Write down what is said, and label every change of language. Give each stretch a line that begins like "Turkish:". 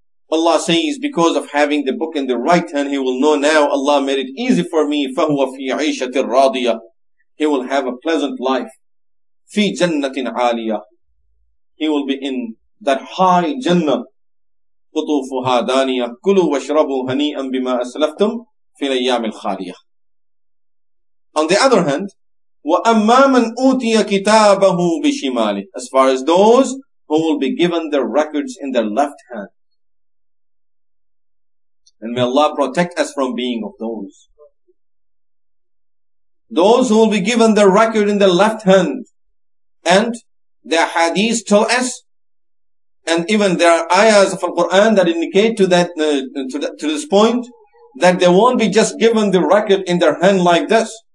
English: Allah says, because of having the book in the right hand, he will know now Allah made it easy for me.
Arabic: فهو في عيشة راضية.
English: He will have a pleasant life.
Arabic: في جنة عالية.
English: He will be in that high Jannah.
Arabic: قطوفها دانية كلوا واشربوا هنيئا بما أسلفتم في الأيام الخالية.
English: On the other hand,
Arabic: وَأَمَّا مَنْ أُوتِيَ كِتَابَهُ بِشِمَالِهِ.
English: As far as those who will be given their records in their left hand. And may Allah protect us from being of those. Those who will be given their record in their left hand. And their hadith tell us, and even there are ayahs of Al-Quran that indicate to that, this point, that they won't be just given the record in their hand like this.